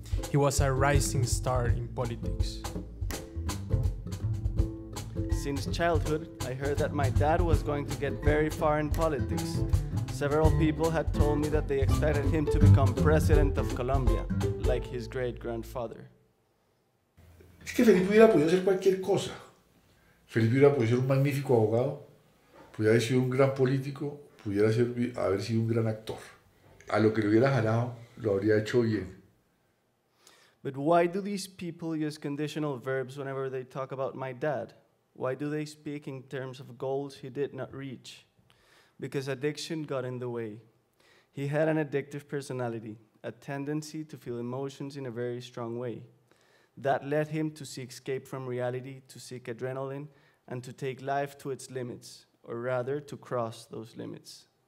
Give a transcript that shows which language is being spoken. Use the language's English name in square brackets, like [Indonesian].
[English] He was a rising star in politics. Since childhood, I heard that my dad was going to get very far in politics. Several people had told me that they expected him to become president of Colombia, like his great-grandfather. [Spanish] Es que Felipe hubiera podido hacer cualquier cosa. Felipe hubiera podido ser un magnífico abogado. Pudiera haber sido un gran político, pudiera haber sido un gran actor. A lo que le hubiera jalado, lo habría hecho bien. [English] But why do these people use conditional verbs whenever they talk about my dad? Why do they speak in terms of goals he did not reach? Because addiction got in the way. He had an addictive personality, a tendency to feel emotions in a very strong way. That led him to seek escape from reality, to seek adrenaline, and to take life to its limits, or rather, to cross those limits.